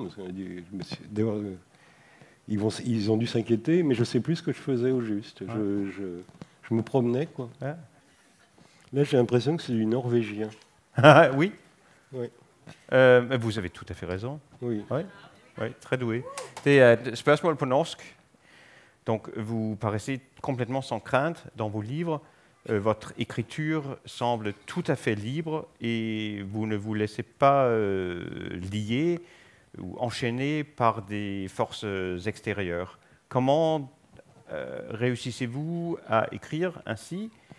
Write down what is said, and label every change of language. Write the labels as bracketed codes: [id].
[fr] Parce qu'on a dit, ils ont dû s'inquiéter, mais je ne sais plus ce que je faisais au juste. Ouais. Je me promenais, quoi. Ouais. Là, j'ai l'impression que c'est du Norvégien. Oui. Oui. Vous avez tout à fait raison. Oui. Oui, ouais, très doué. [da] Det er et spørgsmål på norsk. [fr] Donc, vous paraissez complètement sans crainte dans vos livres. Votre écriture semble tout à fait libre et vous ne vous laissez pas lier ou enchaîner par des forces extérieures. Comment réussissez-vous à écrire ainsi?